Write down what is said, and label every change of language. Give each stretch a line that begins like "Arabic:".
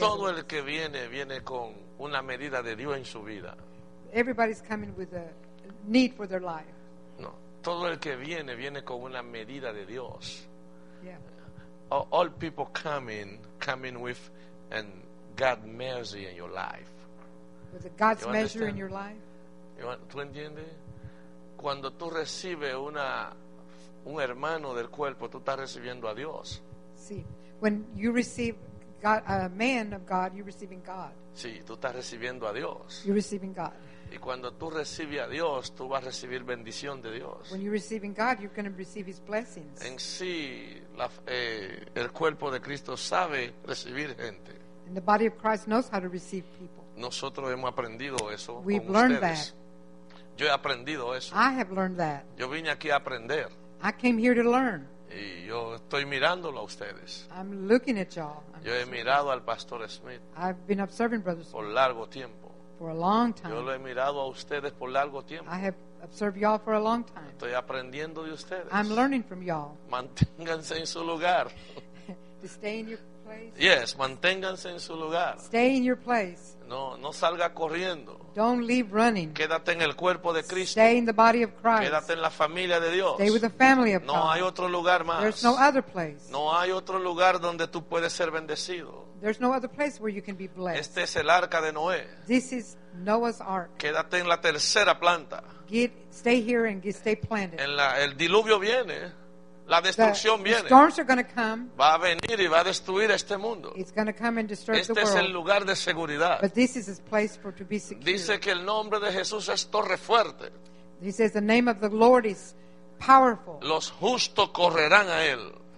Spanish: Todo el que viene con una medida de Dios en su vida.
English: Everybody's coming with a need for their life.
Spanish: No, todo el que viene con una medida de Dios.
English: Yeah. All people coming with and God's mercy in your life. With God's measure in your life.
Spanish: ¿Tú entiendes? cuando tú recibes una un hermano del cuerpo, tú estás recibiendo a Dios. Sí.
English: When you receive God, a man of God, you're receiving God.
Spanish: Sí, tú estás recibiendo a Dios.
English: You're receiving God.
Spanish: Y cuando tú recibes a Dios, tú vas a recibir bendición de Dios.
English: When you're receiving God, you're going to receive His blessings.
Spanish: En sí, el cuerpo de Cristo sabe recibir gente.
English: And the body of Christ knows how to receive people.
Spanish: Nosotros hemos aprendido eso.
English: We've
Spanish: con
English: learned
Spanish: ustedes.
English: That.
Spanish: Yo he aprendido eso.
English: I have learned that.
Spanish: Yo vine aquí a aprender.
English: I came here to learn.
Spanish: Y yo estoy mirándolo a ustedes.
English: I'm looking at y'all. I'm
Spanish: yo he mirado al Pastor Smith.
English: I've been observing Brother Smith.
Spanish: Por largo tiempo.
English: For a long time.
Spanish: Yo lo he mirado a ustedes por largo tiempo.
English: I have observed y'all for a long time.
Spanish: Estoy aprendiendo de ustedes.
English: I'm learning from y'all.
Spanish: Manténganse en su lugar.
English: To stay in your place.
Spanish: Yes, manténganse en su lugar.
English: Stay in your place.
Spanish: No salga corriendo.
English: Don't leave running.
Spanish: Quédate en el cuerpo de Cristo.
English: Stay in the body of Christ.
Spanish: Quédate en la familia de Dios.
English: Stay with the family of
Spanish: no
English: God.
Spanish: Hay otro lugar más.
English: There's no other place.
Spanish: No hay otro lugar donde tú puedes ser bendecido.
English: There's no other place where you can be blessed.
Spanish: Este es el arca de Noé.
English: This is Noah's ark.
Spanish: Quédate en la tercera planta.
English: Stay here and stay planted.
Spanish: El diluvio viene. La destrucción viene.
English: The storms are going to come.
Spanish: Va a venir y va a destruir este mundo.
English: It's going to come and destroy the world.
Spanish: Este es el lugar de seguridad.
English: But this is his place for to be secure.
Spanish: Dice que el nombre de Jesús es torre fuerte.
English: He says the name of the Lord is powerful.
Spanish: Los justos correrán a él.